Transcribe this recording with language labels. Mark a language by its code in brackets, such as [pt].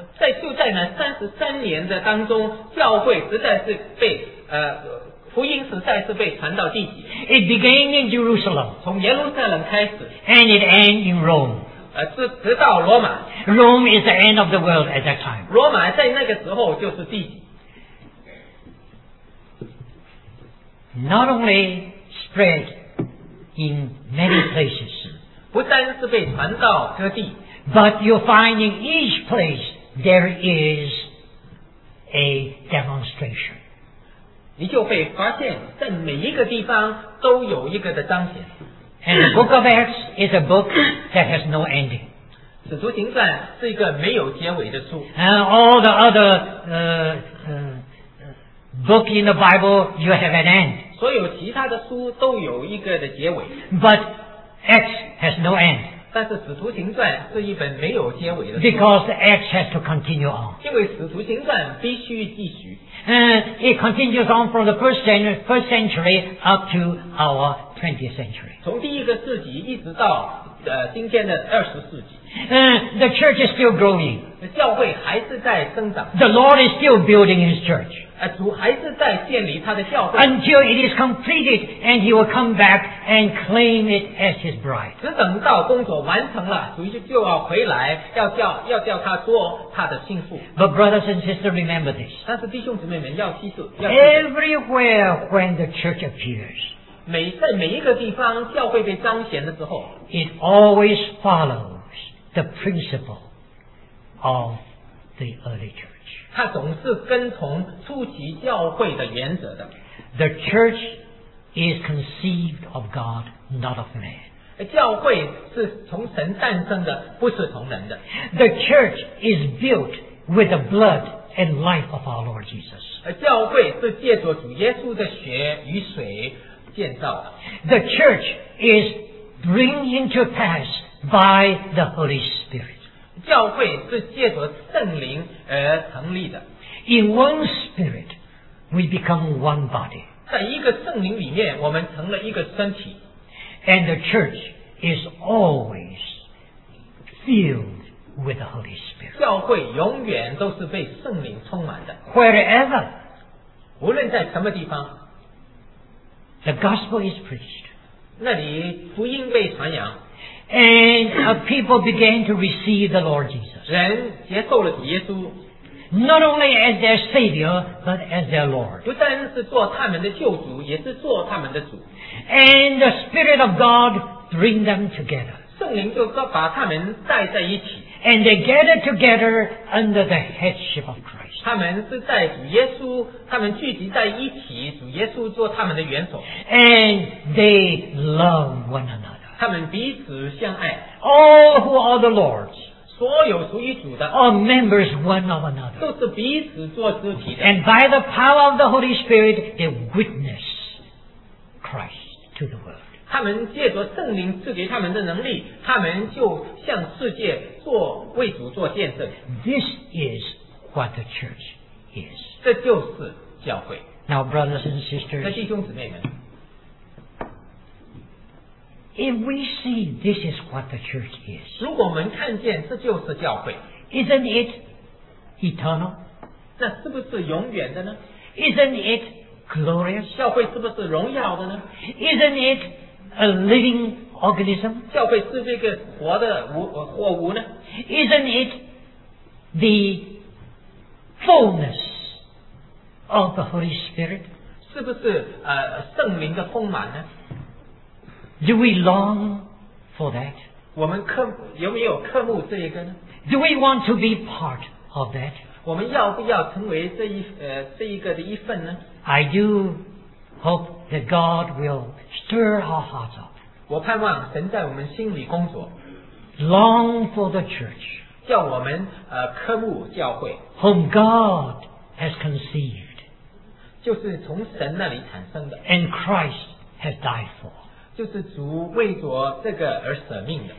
[zh] 在那33年的当中，教会实在是被福音实在是被传到地极。 [en] It began in Jerusalem. [zh] 从耶路撒冷开始。 [en] And it ended in Rome. [zh] 直到罗马。 [en] Rome is the end of the world at that time. [zh] 罗马在那个时候就是地。 [en] Not only spread in many places, [zh] 不单是被传到各地， [en] but you find in each place there is a demonstration. [zh] 你就会发现在每一个地方都有一个的彰显。 [en] And the book of Acts is a book that has no ending. [zh] 使徒行传是一个没有结尾的书。 [en] And all the other book in the Bible, you have an end. [zh] 所有其他的书都有一个的结尾。 [en] But Acts has no end. [zh] 但是使徒行传是一本没有结尾的书。 [en] Because Acts has to continue on. [zh] 因为使徒行传必须继续。 [en] And it continues on from the first century up to our 20th century. [zh] 从第一个世纪一直到今天的二十世纪。 [en] The church is still growing. [zh] 教会还是在增长。 [en] The Lord is still building His church. [zh] 主还是在建立他的教会。 [en] Until it is completed, and He will come back and claim it as His bride. [zh] 只等到工作完成了，主就要回来，要叫他做他的心腹。 [en] But brothers and sisters, remember this. [zh] 但是弟兄姊妹们要记住。 [en] Everywhere when the church appears, [zh] 在每一个地方教会被彰显的时候 [en] ，it always follows. The principle of the early church. [zh] 它总是跟从初期教会的原则的。 [en] The church is conceived of God, not of man. [zh] 教会是从神诞生的，不是从人的。 [en] The church is built with the blood and life of our Lord Jesus. [zh] 教会是借着主耶稣的血与水建造的。 [en] The church is bringing to pass. By the Holy Spirit. [zh] 教会是借着圣灵而成立的。 [en] In one spirit, we become one body. [zh] 在一个圣灵里面，我们成了一个身体。 [en] And the church is always filled with the Holy Spirit. [zh] 教会永远都是被圣灵充满的。 [en] Wherever, [zh] 无论在什么地方， [en] the gospel is preached. [zh] 那里福音被传扬。 [en] And a people began to receive the Lord Jesus. [zh] 人接受了耶稣。 [en] Not only as their Savior, but as their Lord. [zh] 不单是做他们的救主，也是做他们的主。 [en] And the Spirit of God bring them together. [zh] 圣灵就把他们带在一起。 [en] And they gathered together under the headship of Christ. [zh] 他们是在主耶稣，他们聚集在一起，主耶稣做他们的元首。 [en] And they love one another. [zh] 他们彼此相爱。 [en] All who are the Lord's, [zh] 所有属于主的， [en] are members one of another, [zh] 都是彼此做肢体的。 [en] And by the power of the Holy Spirit, they witness Christ to the world. [zh] 他们借着圣灵赐给他们的能力，他们就向世界做为主做见证。 [en] This is what the church is. [zh] 这就是教会。 [en] Now, brothers and sisters, [zh] 弟兄姊妹们。 [en] If we see this is what the church is, [zh] 如果我们看见这就是教会， [en] isn't it eternal? [zh] 那是不是永远的呢？ [en] Isn't it glorious? [zh] 教会是不是荣耀的呢？ [en] Isn't it a living organism? [zh] 教会是不是一个活的活物呢？ [en] Isn't it the fullness of the Holy Spirit? [zh] 是不是圣灵的丰满呢？ [en] Do we long for that? [zh] 我们有没有渴慕这一个呢？ [en] Do we want to be part of that? [zh] 我们要不要成为这一个的一份呢？ [en] I do hope that God will stir our hearts up. [zh] 我盼望神在我们心里工作。 [en] Long for the church. [zh] 叫我们渴慕教会。 [en] Whom God has conceived. [zh] 就是从神那里产生的。 [en] And Christ has died for. [zh] 就是主为着这个而舍命的。